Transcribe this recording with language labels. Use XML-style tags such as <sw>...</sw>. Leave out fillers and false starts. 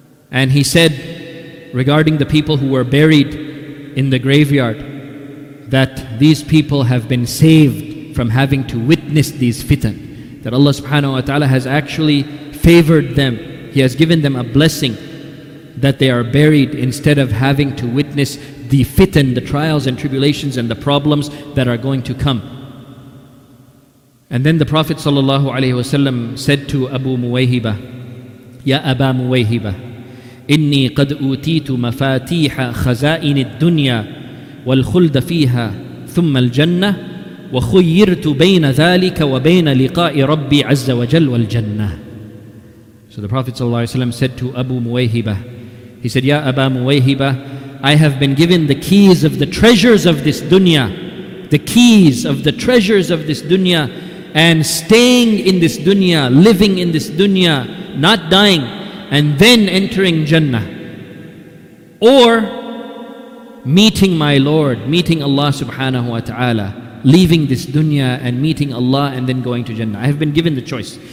<en>And he said, regarding the people who were buried in the graveyard, that these people have been saved from having to witness these fitan. That Allah subhanahu wa ta'ala has actually favored them. He has given them a blessing that they are buried instead of having to witness the fitan, the trials and tribulations and the problems that are going to come. And then the Prophet sallallahu alaihi wasallam said to</en> <ar>Abu Muwayhiba, Ya Aba Muwayhiba, إني قد أوتيت مفاتيح خزائن الدنيا والخلد فيها ثم الجنة وخيرت بين ذلك وبين لقاء ربي عز وجل والجنة.</ar> <en>So the Prophet sallallahu alaihi wasallam said to Abu Muwayhiba, he said, Ya Aba Muwayhiba, I have been given the keys of the treasures of this dunya, the keys of the treasures of this dunya, and staying in this dunya, living in this dunya, not dying, and then entering Jannah, or meeting my Lord, meeting Allah subhanahu wa ta'ala, leaving this dunya and meeting Allah and then going to Jannah. I have been given the choice.</en>